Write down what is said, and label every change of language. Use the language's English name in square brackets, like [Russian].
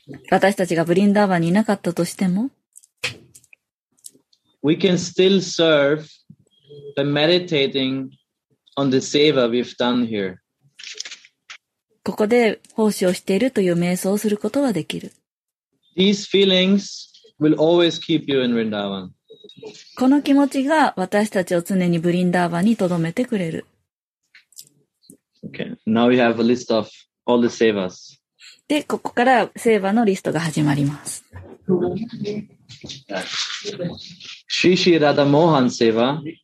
[Japanese] 私たちがブリンダーバンにいなかったとしても、 [English] we can still serve by meditating on the seva we've done here. [Japanese] ここで奉仕をしているという瞑想をすることができる。 [English] These feelings will always keep you in Vrindavan. [Japanese] この気持ちが私たちを常にブリンダーバンに留めてくれる。 [English] Okay. Now we have a list of all the sevas. [Japanese] で、ここからセーバのリストが始まります。シシラダモハンセーバ。